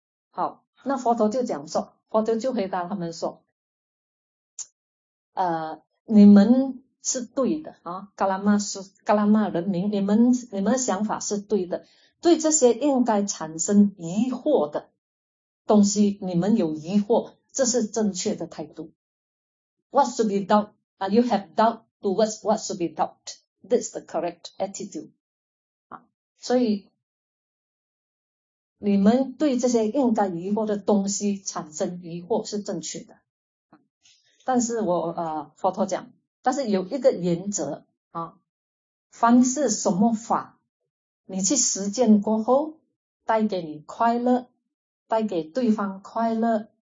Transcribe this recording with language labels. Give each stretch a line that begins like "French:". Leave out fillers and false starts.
Chinese: 好，那佛陀就讲说，佛陀就回答他们说，你们是对的啊，伽蓝曼人民，你们的想法是对的，对这些应该产生疑惑的东西，你们有疑惑，这是正确的态度。
English: What should be doubt? You have doubt towards what should be doubt? This is the correct attitude.
Chinese: 所以你们对这些应该疑惑的东西产生疑惑是正确的。但是佛陀讲，但是有一个原则啊，凡是什么法，你去实践过后，带给你快乐，带给对方快乐